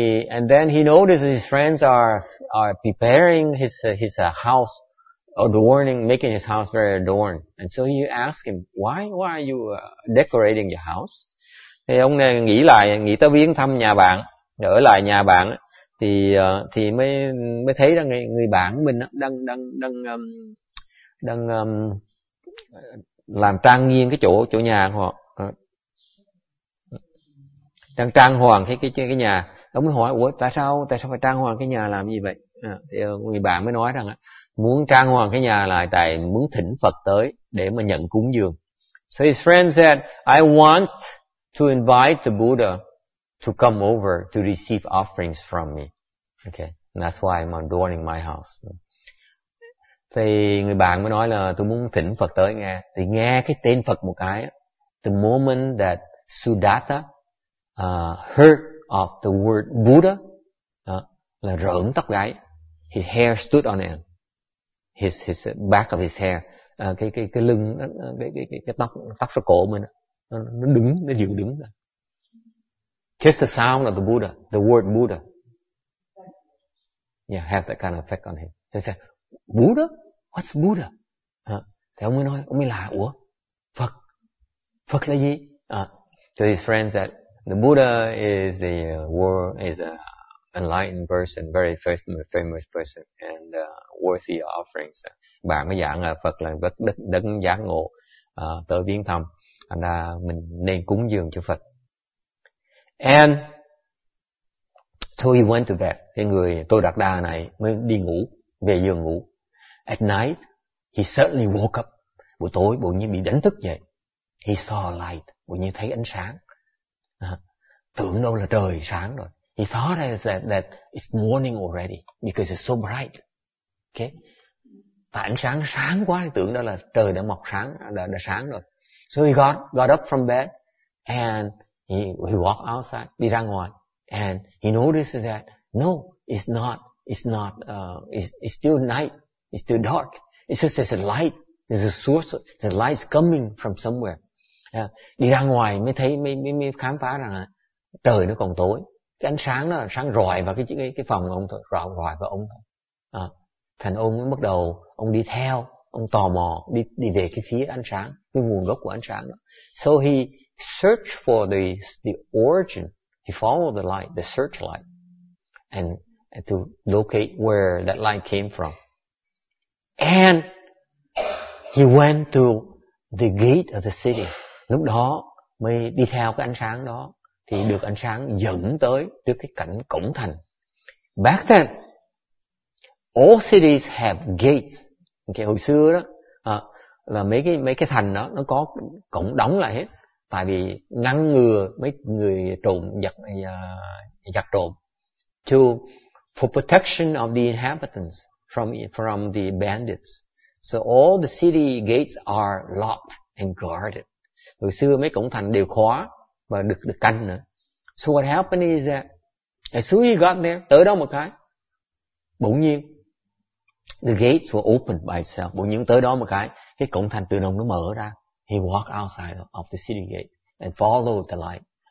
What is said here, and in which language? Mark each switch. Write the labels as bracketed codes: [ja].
[en] And then he noticed his friends are preparing his house adorning, making his house very adorned. And so you ask him, why are you decorating your house? [vi] Thì ông này nghĩ lại, nghĩ tới viếng thăm nhà bạn, ở lại nhà bạn thì mới thấy rằng người bạn mình đang làm trang nghiêm cái chỗ nhà họ. Đang trang hoàng cái nhà. Ông mới hỏi, ủa tại sao phải trang hoàng cái nhà làm gì vậy? Thì người bạn mới nói rằng muốn trang hoàng cái nhà lại tại muốn thỉnh Phật tới để mà nhận cúng dường. [en] So his friend said, I want to invite the Buddha to come over to receive offerings from me. Okay, and that's why I'm adorning my house. [vi] Thì người bạn mới nói là tôi muốn thỉnh Phật tới nghe. Thì nghe cái tên Phật một cái, [en] the moment that Sudatta heard of the word Buddha, [vi] là rợn tóc gáy. [en] His hair stood on end. His back of his hair, [vi] cái lưng, cái tóc cổ mình nó đứng, nó dựng đứng. [en] Just the sound of the Buddha, the word Buddha, yeah, have that kind of effect on him. So he said, Buddha? What's Buddha? [vi] Thì ông mới nói, ông mới là, ủa, Phật, Phật là gì? [en] To his friends that the Buddha is a world, is a enlightened person, very famous person, and worthy offerings. [vi] Bạn mới giảng là Phật là đấng giác ngộ, tới viếng thăm, thành ra mình nên cúng dường cho Phật. [en] And so he went to bed. [vi] Cái người Tôi Đạt Đa này mới đi ngủ, về giường ngủ. [en] At night, he suddenly woke up. [vi] Buổi tối, bỗng nhiên bị đánh thức dậy. [en] He saw a light. [vi] Bỗng nhiên thấy ánh sáng. Tưởng đâu là trời sáng rồi. [en] He thought that it's morning already because it's so bright. Okay. [vi] Tại ánh sáng sáng quá, tưởng đó là trời đã mọc sáng, đã sáng rồi. [en] So he got up from bed and he walked outside, [vi] đi ra ngoài, [en] and he noticed that no, it's not it's still night, it's still dark. It's just there's a light, there's a source, the light's coming from somewhere. [vi] Đi ra ngoài mới thấy mới khám phá rằng trời nó còn tối, cái ánh sáng đó sáng rọi vào cái phòng ông thôi, rọi vào ông thôi. Thành ông mới bắt đầu ông đi theo, ông tò mò đi về cái phía ánh sáng, cái nguồn gốc của ánh sáng đó. [en] So he searched for the origin. He followed the light, the search light, and to locate where that light came from. And he went to the gate of the city. [vi] Lúc đó mới đi theo cái ánh sáng đó, thì được ánh sáng dẫn tới trước cái cảnh cổng thành. [en] Back then, all cities have gates. [vi] Okay, hồi xưa đó, là mấy cái thành đó nó có cổng đóng lại hết, tại vì ngăn ngừa mấy người trộm giặc trộm. [en] To for protection of the inhabitants from the bandits. So all the city gates are locked and guarded. [vi] Hồi xưa mấy cổng thành đều khóa và được canh nữa. [en] So what happened is that as soon as you got there, [vi] tới đó một cái, bỗng nhiên [en] the gates were opened by itself. [vi] Bỗng nhiên tới đó một cái cổng thành tự động nó mở ra. [en] He walked outside of the city gate and followed the light.